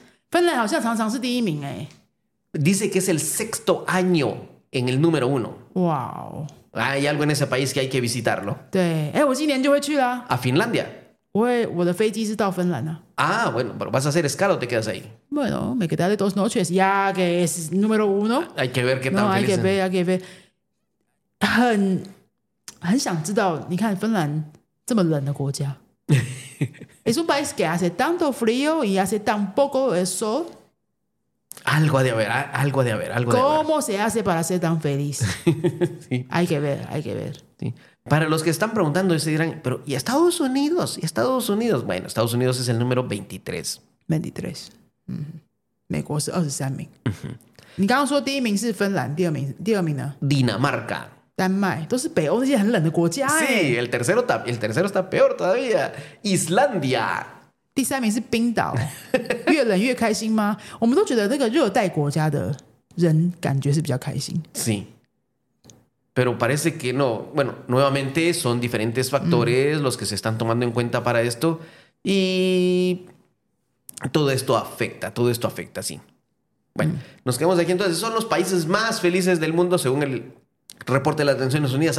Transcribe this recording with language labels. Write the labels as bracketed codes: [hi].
[zh] Finlandia好像常常是第一名哎。 [es] Dice que es el sexto año en el número uno. Wow. Hay algo en ese país que hay que visitarlo. [zh] 对，哎，我今年就会去啦。 [es] A Finlandia. [zh] 我的飞机是到芬兰啊。 [es] Ah, bueno, pero vas a hacer escala o te quedas ahí. Bueno, me quedaré dos noches ya que es número uno. Hay que ver qué tal. No, hay que ver, hay que ver. [zh] 很想知道，你看芬兰这么冷的国家。 [es] Es un país que hace tanto frío y hace tan poco el sol. Algo de haber. ¿Cómo se hace para ser tan feliz? Sí. Hay que ver. Sí. Para los que están preguntando, se dirán, pero ¿y Estados Unidos? ¿Y Estados Unidos? Bueno, Estados Unidos es el número 23. [zh] 23. Mm-hmm. 美国是23名.Mm-hmm. 你刚刚说第一名是芬兰，第二名呢？ [es] Dinamarca. [zh] 丹麦，都是北欧那些很冷的国家。 [es] Sí, el tercero está peor todavía. Islandia. [zh] 第三名是冰岛，越冷越开心吗？我们都觉得那个热带国家的人感觉是比较开心。 [es] Sí. Pero parece que no. Bueno, nuevamente son diferentes factores los que se están tomando en cuenta para esto. Y todo esto afecta, sí. Bueno, nos quedamos aquí entonces. Son los países más felices del mundo según el reporte de las Naciones Unidas.